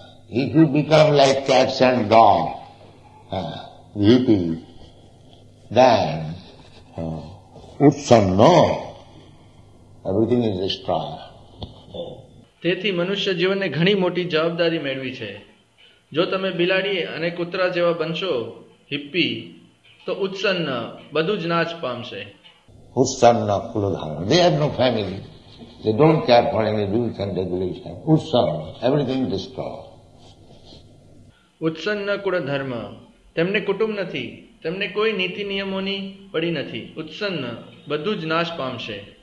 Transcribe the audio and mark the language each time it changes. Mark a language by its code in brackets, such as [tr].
[en] If you become like cats and dog, યુપી, then utsanno, everything is destroyed. [gu] તેથી મનુષ્ય જીવનને ઘણી મોટી જવાબદારી મેળવી છે. જો તમે બિલાડી અને કૂતરા જેવા બનશો, હિપ્પી, તો ઉત્સન્ન બધું જ નાશ પામશે. [sa] ઉત્સન્ન કુલ ધર્મ, [en] they have no family, they don't care for any rules and regulations. ઉત્સન્ન, everything is destroyed. [sa] ઉત્સન્ન કુળ ધર્મ, [gu] તેમને કુટુંબ નથી, તેમને કોઈ નીતિ નિયમોની પડી નથી. ઉત્સન્ન બધું જ નાશ પામશે.